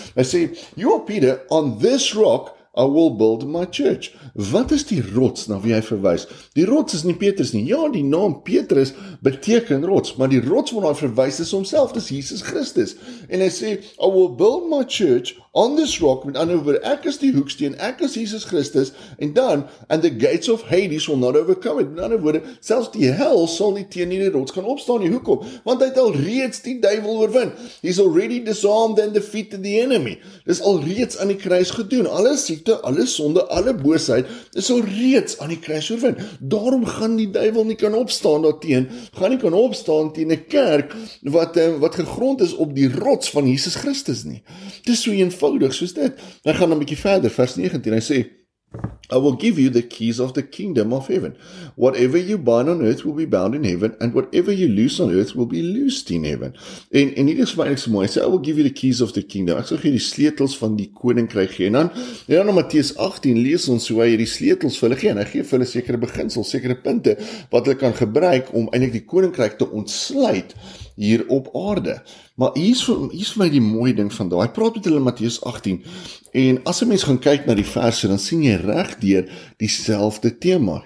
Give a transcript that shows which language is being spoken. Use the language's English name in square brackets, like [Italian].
[Afrikaans] Hy sê, [English] you are Peter, on this rock I will build my church. [Afrikaans] Wat is die rots na wie hy verwys? Die rots is nie Petrus nie. Ja, die naam Petrus beteken rots, maar die rots waarna hy verwys is homself, dis Jesus Christus. En hy sê, [English] I will build my church on this rock, [Afrikaans] met ander woorde, ek is die hoeksteen, ek is Jesus Christus, en dan, [English] and the gates of Hades will not overcome it. [Afrikaans] Met ander woorde, selfs die hel sal nie teen die rots kan opstaan nie. Hoekom? Want hy het al reeds die duivel oorwin. [English] He's already disarmed and defeated the enemy. [Afrikaans] Dis al reeds aan die kruis gedoen. Alle siekte, alle sonde, alle boosheid, is al reeds aan die kruis oorwin. Daarom gaan die duivel nie kan opstaan daarteen, gaan nie kan opstaan teen 'n kerk wat gegrond is op die rots van Jesus Christus nie. Dis so eenvoudig. Soos dit, hy gaan dan bietjie verder, vers 19, hy sê, [English] I will give you the keys of the kingdom of heaven. Whatever you bind on earth will be bound in heaven, and whatever you loose on earth will be loosed in heaven. [Afrikaans] En hier is vir my eintlik so mooi, hy sê, [English] I will give you the keys of the kingdom. [Afrikaans] Ek sal gee die sleutels van die koninkryk gee. En dan in Matteus 18 lees ons hoe hy die sleutels vir hulle gee, en hy gee vir hulle sekere beginsels, sekere punte, wat hulle kan gebruik om eintlik die koninkryk te ontsluit hier op aarde. Maar hier is vir my die mooie ding van daar. Hy praat met hulle in Matteus 18, en as 'n mens gaan kyk na die verse, dan sien jy reg deur dieselfde tema.